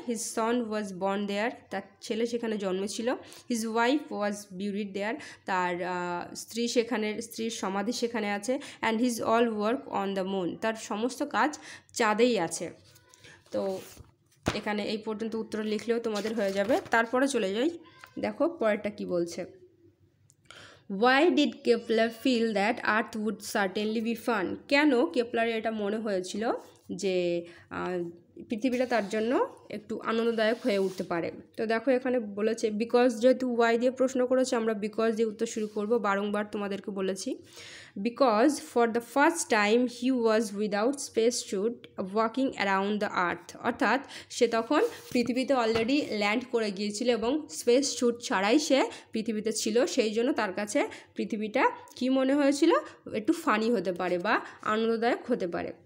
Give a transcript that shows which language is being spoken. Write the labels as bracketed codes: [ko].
[en] his son was born there, [bn] তার ছেলে সেখানে জন্মেছিল, [en] his wife was buried there, [bn] তার স্ত্রী সেখানে, স্ত্রীর সমাধি সেখানে আছে, [en] and his all work on the moon, [bn] তার সমস্ত কাজ চাঁদেই আছে। তো এখানে এই পর্যন্ত উত্তর লিখলেও তোমাদের হয়ে যাবে। তারপরে চলে যাই, দেখো পরেরটা কী বলছে। [en] Why did Kepler feel that Earth would certainly be fun? [bn] কেন কেপলারের এটা মনে হয়েছিল যে পৃথিবীটা তার জন্য একটু আনন্দদায়ক হয়ে উঠতে পারে? তো দেখো এখানে বলেছে বিকজ, যেহেতু ওয়াই দিয়ে প্রশ্ন করেছে, আমরা বিকজ দিয়ে উত্তর শুরু করবো। বারংবার তোমাদেরকে বলেছি, [en] because for the first time he was without space suit walking around the earth, [bn] অর্থাৎ সে তখন পৃথিবীতে অলরেডি ল্যান্ড করে গিয়েছিল এবং স্পেস শুট ছাড়াই সে পৃথিবীতে ছিল, সেই জন্য তার কাছে পৃথিবীটা কী মনে হয়েছিল, একটু ফানি হতে পারে বা আনন্দদায়ক হতে পারে।